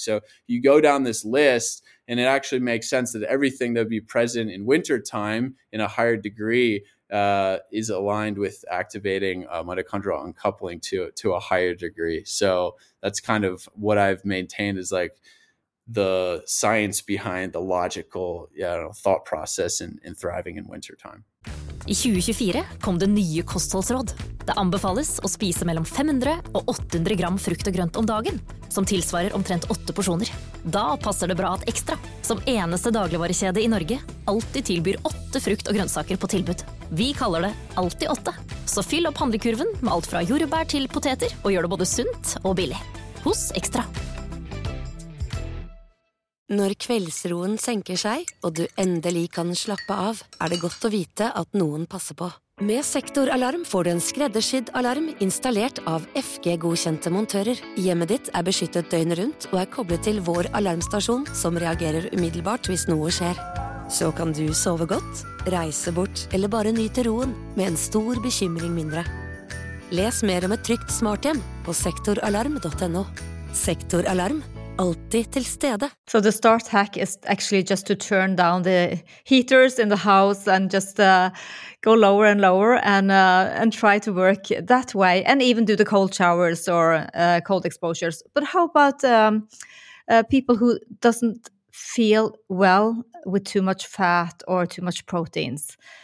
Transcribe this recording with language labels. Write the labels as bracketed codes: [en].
[en] So you go down this list, and it actually makes sense that everything that would be present in wintertime in a higher degree is aligned with activating mitochondrial uncoupling to a higher degree. So that's kind of what I've maintained is like the science behind the logical, you know, thought process in thriving in wintertime. [no] I 2024 kom det nye kostholdsråd. Det anbefales å spise mellom 500 og 800 gram frukt og grønt om dagen, som tilsvarer omtrent 8 porsjoner. Da passer det bra at Extra, som eneste dagligvarekjede I Norge, alltid tilbyr 8 frukt og grønnsaker på tilbud. Vi kaller det alltid 8. Så fyll opp handlekurven med alt fra jordbær til poteter og gjør det både sunt og billig. Hos Extra. Når kveldsroen senker seg, og du endelig kan slappe av, det godt å vite at noen passer på. Med Sektoralarm får du en skreddersydd alarm installert av FG-godkjente montører. Hjemmet ditt beskyttet døgnet rundt, og koblet til vår alarmstasjon, som reagerer umiddelbart hvis noe skjer. så kan du sove godt, reise bort eller bare nyte roen med en stor bekymring mindre. Les mer om et trygt smarthjem på sektoralarm.no. Sektoralarm. Alltid til stede. [en] So the start hack is actually just to turn down the heaters in the house and just go lower and lower and try to work that way and even do the cold showers or cold exposures. But how about people who doesn't feel well with too much fat or too much proteins?